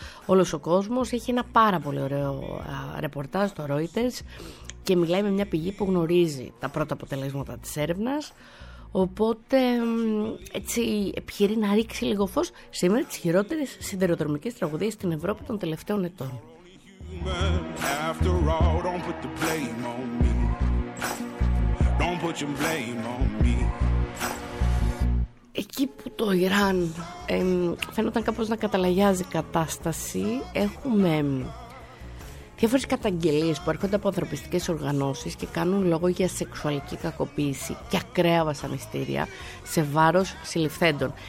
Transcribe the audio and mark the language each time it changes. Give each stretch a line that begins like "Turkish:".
Greek: Όλος ο κόσμος έχει ένα πάρα πολύ ωραίο ρεπορτάζ στο Reuters και μιλάει με μια πηγή που γνωρίζει τα πρώτα αποτελέσματα της έρευνας. Οπότε έτσι επιχειρεί να ρίξει λίγο φως σε μια τις χειρότερες σιδηροδρομικές τραγωδίες στην Ευρώπη των τελευταίων ετών.
English: After all, don't put the blame on me. Don't put your blame on me.
Greek: Εκεί που το Ιράν φαίνονταν κάπως να καταλαγιάζει κατάσταση, έχουμε διάφορες καταγγελίες που έρχονται από ανθρωπιστικές οργανώσεις και κάνουν λόγο για σεξουαλική κακοποίηση και ακραία βασανιστήρια σε βάρος συλληφθέντων.